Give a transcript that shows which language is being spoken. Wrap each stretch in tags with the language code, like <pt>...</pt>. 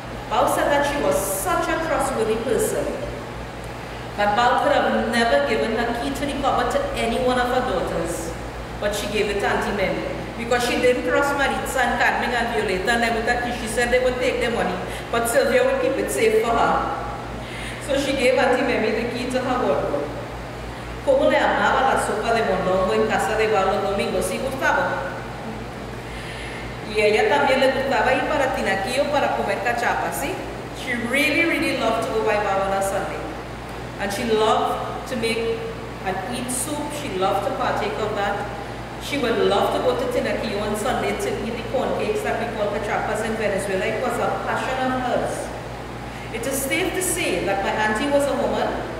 <en>Bao said that she was such a trustworthy person, that Bao could have never given her key to the cupboard to any one of her daughters, but she gave it to Auntie Mary. Because she didn't trust Maritza and Carmen and Violeta, and she said they would take their money, but Sylvia would keep it safe for her. So she gave Auntie Mary the key to her wardrobe.</en> <es>¿Cómo le amaba la sopa de mondongo en casa de Bao los domingos? Sí, Gustavo. Y ella también le gustaba ir para Tinaquillo para comer cachapa, ¿sí?</es> <en>She really, really loved to go by Bao on a Sunday. And she loved to make and eat soup. She loved to partake of that. She would love to go to Tinaquillo on Sunday to eat the corn cakes that we call cachapas in Venezuela. It was a passion of hers. It is safe to say that my auntie was a woman</en>